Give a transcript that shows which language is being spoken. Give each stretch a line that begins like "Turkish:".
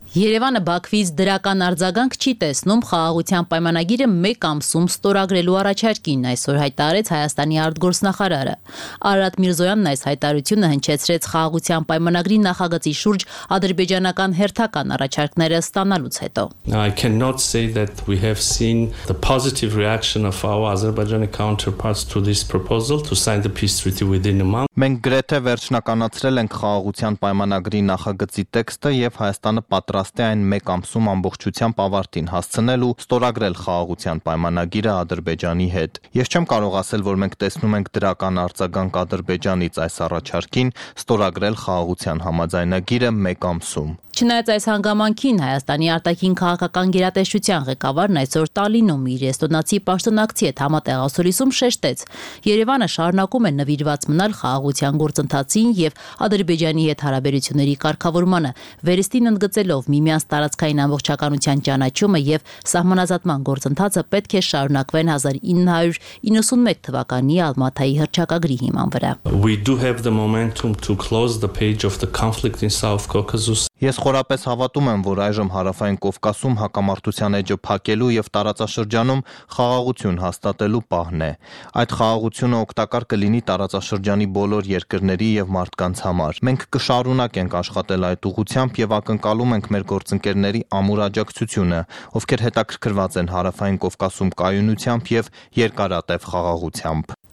Armenian: Երևանը Բաքվից դրական արձագանք չի տեսնում խաղաղության պայմանագիրը մեկ ամսում ստորագրելու առաջարկին, այսօր հայտարարեց Հայաստանի արտգործնախարարը։ Արարատ Միրզոյանն այս հայտարարությունը հնչեցրեց խաղաղության պայմանագրի նախագծի շուրջ ադրբեջանական հերթական առաջարկները ստանալուց հետո։
English: I cannot say that we have seen the positive reaction of our Azerbaijani counterparts to this proposal to sign the peace treaty within a month.
Armenian: Մենք գրեթե վերջնականացրել ենք խաղաղության պայմանագրի նախագծի տեքստը եւ Հայաստանը պատրաստ է այն մեկ ամսում ամբողջությամբ ավարտին հասցնելու ստորագրել խաղաղության պայմանագիրը Ադրբեջանի հետ։ Ես չեմ կարող ասել, որ մենք տեսնում ենք դրական արձագանք Ադրբեջանից այս առաջարկին ստորագրել խաղաղության համաձայնագիրը մեկ ամսում։ Չնայած այս հանգամանքին Հայաստանի արտաքին քաղաքական գերատեսչության ղեկավարն այսօր Տալինում իր Էստոնացի պաշտոնակցի հետ համատեղասորիսում շեշտեց. Երևանը շարունակում է նվիրված մնալ խաղաղության գործընթացին եւ Ադրբեջանի հետ հարաբերությունների կարգավորմանը, վերստին ընդգծելով միմյանց տարածքային ամբողջականության ճանաչումը եւ սահմանազատման գործընթացը պետք է շարունակվեն 1991 թվականի Ալմատայի հռչակագրի հիման վրա։
English: We do have the momentum to close the page of the conflict in South Caucasus.
Armenian: Ես խորապես հավատում եմ, որ այժմ հարավային Կովկասում հակամարտության էջը փակելու եւ տարածաշրջանում խաղաղություն հաստատելու պահն է։ Այդ խաղաղությունը օգտակար կլինի տարածաշրջանի բոլոր երկրների եւ մարդկանց համար։ Մենք կշարունակենք աշխատել այդ ուղությամբ եւ ակնկալում ենք մեր գործընկերների ամուր աջակցությունը, ովքեր հետաքրքրված են հարավային Կովկասում կայունությամբ եւ երկարատև խաղաղությամբ։